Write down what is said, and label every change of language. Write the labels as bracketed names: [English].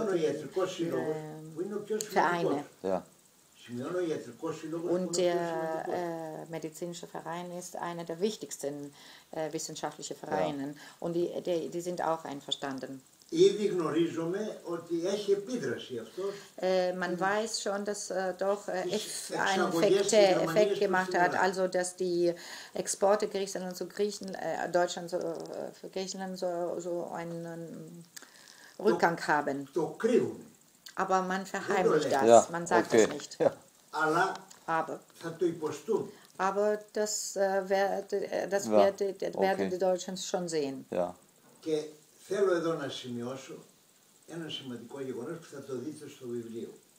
[Greek] Σημειώνω ο ιατρικός σύλλογος που είναι ο πιο σημαντικός. Σημειώνω ο ιατρικός σύλλογος που είναι ο πιο σημαντικός. [German] Und der medizinische Verein ist einer der wichtigsten wissenschaftlichen Vereine. Und die sind auch einverstanden. [Greek] Ήδη γνωρίζουμε ότι έχει επίδραση αυτό. [German] Man weiß schon, dass doch einen Effekt gemacht hat, also dass die Exporte Griechenland zu Griechenland, Deutschland zu Griechenland so einen Rückgang haben. [Greek] Το κρύβουν. [German] Aber man verheimlicht das, ja. man sagt okay. das nicht. [Greek] Αλλά θα το υποστούν. [German] Aber das werden die Deutschen schon sehen. Ja. [Greek] Θέλω εδώ να σημειώσω ένα σημαντικό γεγονός που θα το δείτε στο βιβλίο.